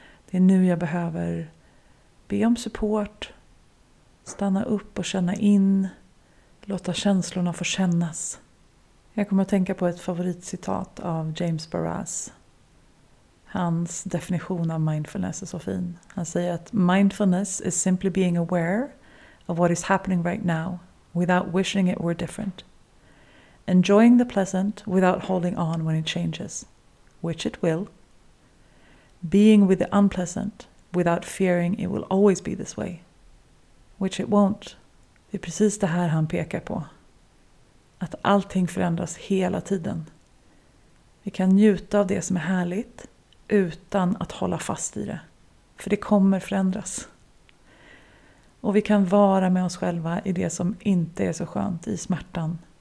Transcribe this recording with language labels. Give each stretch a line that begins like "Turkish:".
Swedish: Det är nu jag behöver be om support. Stanna upp och känna in. Låta känslorna få kännas. Jag kommer att tänka på ett favoritcitat av James Barras. Hans definition av mindfulness är så fin. Han säger att
English: mindfulness is simply being aware of what is happening right now without wishing it were different. Enjoying the pleasant without holding on when it changes, which it will. Being with the unpleasant without fearing it will always be this way, which it won't.
Swedish: Det är precis det här han pekar på. Att allting förändras hela tiden. Vi kan njuta av det som är härligt utan att hålla fast i det. För det kommer förändras. Och vi kan vara med oss själva i det som inte är så skönt, i smärtan.